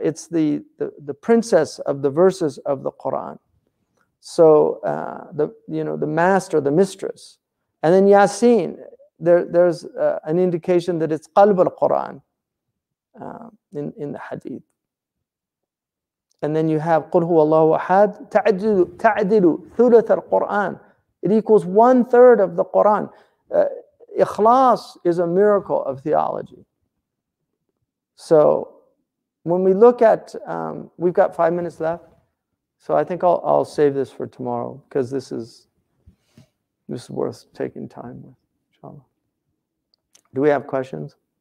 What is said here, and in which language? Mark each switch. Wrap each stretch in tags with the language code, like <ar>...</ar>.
<en>It's the princess of the verses of the Quran. So the master, the mistress. And then Yasin, there's an indication that it's Qalb al-Quran. In the hadith. And then you have</en> <ar>قُلْ هُوَ اللَّهُ أَحَدْ تَعْدِلُ ثُلَثَ الْقُرْآنِ.</ar> <en>It equals one third of the Quran. Ikhlas is a miracle of theology. So when we look at, we've got 5 minutes left, so I think I'll save this for tomorrow because this is worth taking time with, inshallah. Do we have questions?</en>